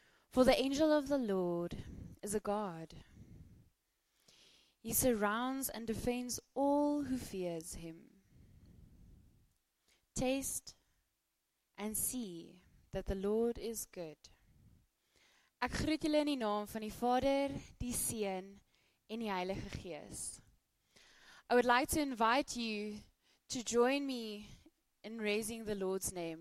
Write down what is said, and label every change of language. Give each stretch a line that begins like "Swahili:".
English: For the angel of the Lord is a God. He surrounds and defends all who fears him. Taste and see that the Lord is good.
Afrikaans: Ek groet julle in die naam van die Vader, die Seun, en die Heilige Gees.
English: I would like to invite you to join me in raising the Lord's name.